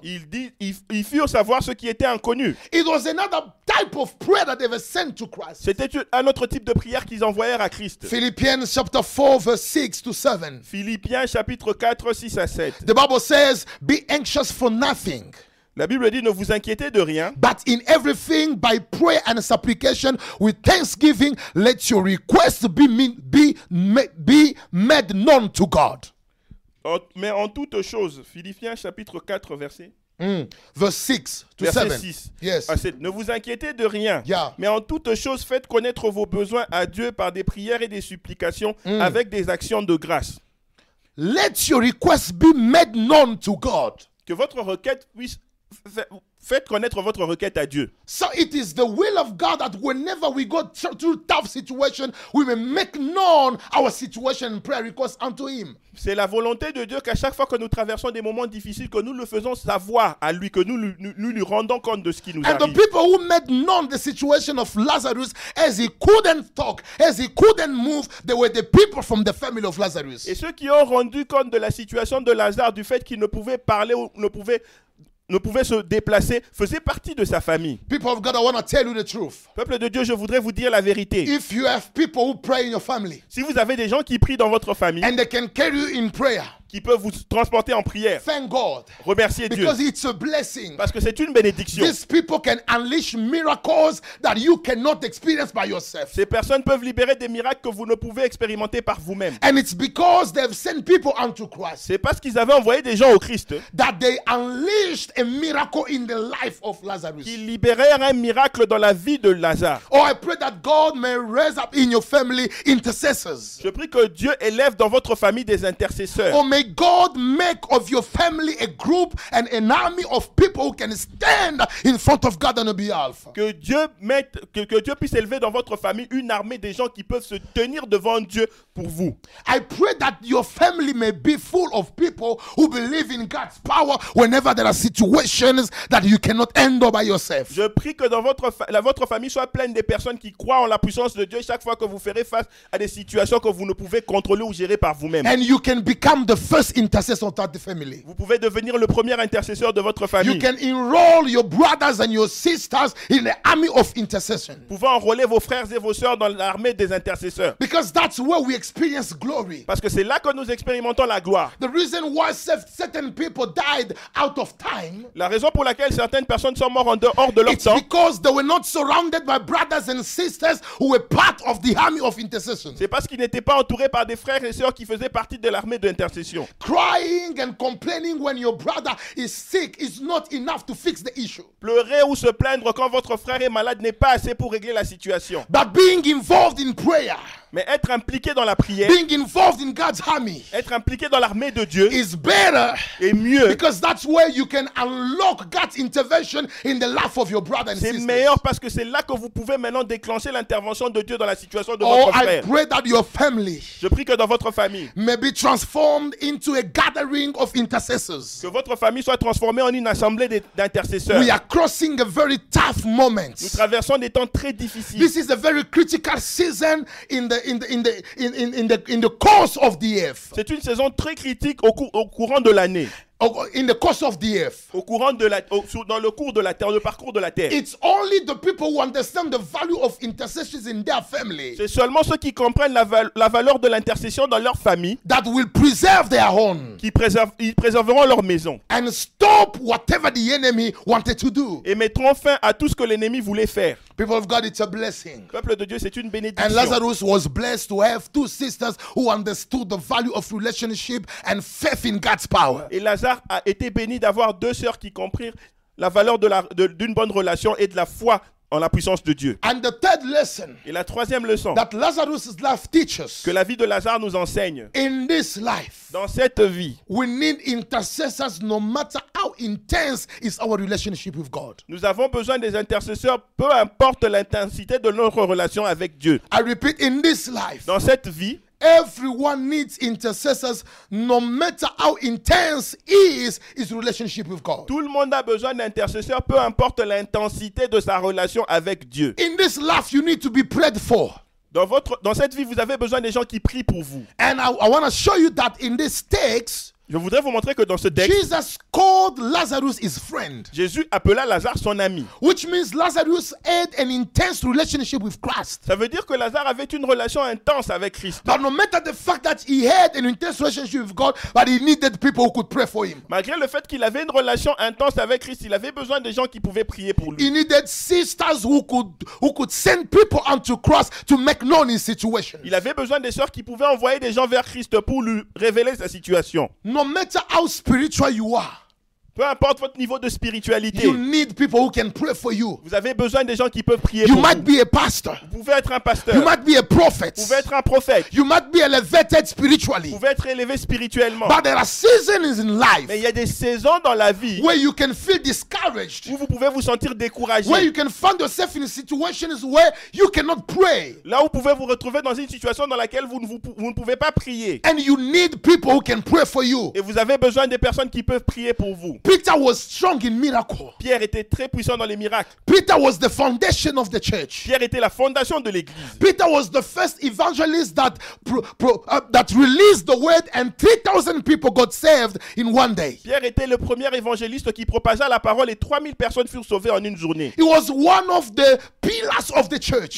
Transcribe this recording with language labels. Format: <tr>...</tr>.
<fr>Ils firent savoir ce qui était inconnu.</fr> <en>It was another type of prayer that they were sent to Christ.</en> <fr>C'était un autre type de prière qu'ils envoyèrent à Christ.</fr> <en>Philippians chapter 4 verse 6 to 7.</en> <fr>Philippiens chapitre 4 6 à 7.</fr> <en>The Bible says, be anxious for nothing.</en> <fr>La Bible dit ne vous inquiétez de rien.</fr> <en>But in everything by prayer and supplication with thanksgiving let your requests be made known to God.</en> <fr>Mais en toute chose, Philippiens chapitre 4 verset</fr> <en>verse 6 to 7. Yes.</en> <fr>Ne vous inquiétez de rien. Yeah. Mais en toute chose faites connaître vos besoins à Dieu par des prières et des supplications avec des actions de grâce.</fr> <en>Let your requests be made known to God.</en> <fr>Que votre requête puisse faites connaître votre requête à Dieu.</fr> <en>So it is the will of God that whenever we go through tough situation, we may make known our situation in prayer request unto him.</en> <fr>C'est la volonté de Dieu qu'à chaque fois que nous traversons des moments difficiles, que nous le faisons savoir à lui, que nous lui rendons compte de ce qui nous</fr> <en>and</en> <fr>arrive.</fr> <en>And the people who made known the situation of Lazarus as he couldn't talk, as he couldn't move, they were the people from the family of Lazarus.</en> <fr>Et ceux qui ont rendu compte de la situation de Lazare du fait qu'il ne pouvait parler ou ne pouvait ne pouvait se déplacer faisait partie de sa famille.</fr> <en>People of God, I want to tell you the truth.</en> <fr>Peuple de Dieu, je voudrais vous dire la vérité.</fr> <en>If you have people who pray in your family,</en> <fr>si vous avez des gens qui prient dans votre famille,</fr> <en>and they can carry you in prayer,</en> <fr>qui peuvent vous transporter en prière,</fr> <en>thank God,</en> <fr>remerciez</fr> <en>because</en> <fr>Dieu,</fr> <en>it's a blessing,</en> <fr>parce que c'est une bénédiction.</fr> <en>These people can unleash miracles that you cannot experience by yourself.</en> <fr>Ces personnes peuvent libérer des miracles que vous ne pouvez expérimenter par vous-même.</fr> <en>And it's because they've sent people unto Christ.</en> <fr>C'est parce qu'ils avaient envoyé des gens au Christ</fr> <en>that they unleashed a miracle in the life of Lazarus.</en> <fr>Qui libérèrent un miracle dans la vie de Lazare.</fr> <en>Oh, I pray that God may raise up in your family intercessors.</en> <fr>Je prie que Dieu élève dans votre famille des intercesseurs.</fr> <en>Oh, may God make of your family a group and an army of people who can stand in front of God on your behalf.</en> <fr>Que Dieu puisse élever dans votre famille une armée des gens qui peuvent se tenir devant Dieu pour vous.</fr> <en>I pray that your family may be full of people who believe in God's power whenever there are situations that you cannot handle by yourself.</en> <fr>Je prie que dans votre famille soit pleine des personnes qui croient en la puissance de Dieu chaque fois que vous ferez face à des situations que vous ne pouvez contrôler ou gérer par vous-même.</fr> <en>And you can become the first intercessor of the family.</en> <fr>Vous pouvez devenir le premier intercesseur de votre famille.</fr> <en>You can enroll your brothers and your sisters in the army of intercession.</en> <fr>Vous pouvez enrôler vos frères et vos sœurs dans l'armée des intercesseurs.</fr> <en>Because that's where we experience glory.</en> <fr>Parce que c'est là que nous expérimentons la gloire.</fr> <en>The reason why certain people died out of time.</en> <fr>La raison pour laquelle certaines personnes sont mortes hors de leur</fr> <en>it's</en> <fr>temps.</fr> <en>It's because they were not surrounded by brothers and sisters who were part of the army of intercession.</en> <fr>C'est parce qu'ils n'étaient pas entourés par des frères et sœurs qui faisaient partie de l'armée de intercession.</fr> <en>Crying and complaining when your brother is sick is not enough to fix the issue.</en> <fr>Pleurer ou se plaindre quand votre frère est malade n'est pas assez pour régler la situation.</fr> <en>But being involved in prayer,</en> <fr>mais être impliqué dans la prière,</fr> <en>being involved in God's army,</en> <fr>être impliqué dans l'armée de Dieu,</fr> <en>is better,</en> <fr>est mieux,</fr> <en>because that's where you can unlock God's intervention in the life of your brother and</en> <fr>c'est</fr> <en>sisters.</en> <fr>C'est meilleur parce que c'est là que vous pouvez maintenant déclencher l'intervention de Dieu dans la situation de oh, votre frère.</fr> <en>I pray that your family,</en> <fr>je prie que dans votre famille,</fr> <en>may be transformed into a gathering of intercessors.</en> <fr>Que votre famille soit transformée en une assemblée d'intercesseurs.</fr> <en>We are crossing a very tough moment.</en> <fr>Nous traversons des temps très difficiles.</fr> <en>This is a very critical season in the course of the earth.</en> <fr>C'est une saison très critique au courant de l'année.</fr> <en>In the course of the earth.</en> <fr>Au courant de la dans le cours de la terre, le parcours de la terre.</fr> <en>It's only the people who understand the value of intercessions in their family.</en> <fr>C'est seulement ceux qui comprennent la valeur de l'intercession dans leur famille.</fr> <en>That will preserve their home.</en> <fr>Ils préserveront leur maison.</fr> <en>And stop whatever the enemy wanted to do.</en> <fr>Et mettront fin à tout ce que l'ennemi voulait faire.</fr> <en>People of God, it's a blessing.</en> <fr>Peuple de Dieu, c'est une bénédiction.</fr> <en>And Lazarus was blessed to have two sisters who understood the value of relationship and faith in God's power.</en> <fr>Et Lazare a été béni d'avoir deux sœurs qui comprirent la valeur d'une bonne relation et de la foi en la puissance de Dieu.</fr> <en>And the third lesson,</en> <fr>et la troisième leçon</fr> <en>that Lazarus's life teaches,</en> <fr>que la vie de Lazare nous enseigne</fr> <en>in this life,</en> <fr>dans cette vie,</fr> <en>we need intercessors no matter how intense is our relationship with God.</en> <fr>Nous avons besoin des intercesseurs peu importe l'intensité de notre relation avec Dieu.</fr> <en>I repeat, in this life,</en> <fr>dans cette vie,</fr> <en>everyone needs intercessors no matter how intense is his relationship with God.</en> <fr>Tout le monde a besoin d'intercesseurs peu importe l'intensité de sa relation avec Dieu.</fr> <en>In this life you need to be prayed for.</en> <fr>Dans cette vie vous avez besoin des gens qui prient pour vous.</fr> <en>And I want to show you that in this text,</en> <fr>je voudrais vous montrer que dans ce texte,</fr> <en>Jesus called Lazarus his friend.</en> <fr>Jésus appela Lazare son ami.</fr> <en>Which means Lazarus had an intense relationship with Christ.</en> <fr>Ça veut dire que Lazare avait une relation intense avec Christ.</fr> <en>But no matter the fact that he had an intense relationship with God, but he needed people who could pray for him.</en> <fr>Malgré le fait qu'il avait une relation intense avec Christ, il avait besoin de gens qui pouvaient prier pour lui.</fr> <en>He needed sisters who could send people unto Christ to make known his situation.</en> <fr>Il avait besoin des sœurs qui pouvaient envoyer des gens vers Christ pour lui révéler sa situation.</fr> <en>No matter how spiritual you are,</en> <fr>peu importe votre niveau de spiritualité,</fr> <en>you need people who can pray for you.</en> <fr>Vous avez besoin des gens qui peuvent prier</fr> <en>you</en> <fr>pour</fr> <en>might</en> <fr>vous.</fr> <en>Be a pastor.</en> <fr>Vous pouvez être un pasteur.</fr> <en>You might be a prophet.</en> <fr>Vous pouvez être un prophète.</fr> <en>You might be elevated spiritually.</en> <fr>Vous pouvez être élevé spirituellement.</fr> <en>But there are seasons in life.</en> <fr>Mais il y a des saisons dans la vie</fr> <en>where you can feel discouraged.</en> <fr>Où vous pouvez vous sentir découragé.</fr> <en>Where you can find yourself in situations where you cannot pray.</en> <fr>Là où vous pouvez vous retrouver dans une situation dans laquelle vous ne pouvez pas prier.</fr> <en>And you need people who can pray for you.</en> <fr>Et vous avez besoin des personnes qui peuvent prier pour vous.</fr> <en>Peter was strong in miracle.</en> <fr>Pierre était très puissant dans les miracles.</fr> <en>Peter was the foundation of the church.</en> <fr>Pierre était la fondation de l'église.</fr> <en>Peter was the first evangelist that released the word and 3,000 people got saved in one day.</en> <fr>Pierre était le premier évangéliste qui propagea la parole et 3,000 personnes furent sauvées en une journée.</fr> <en>He was one of the pillars of the church.</en>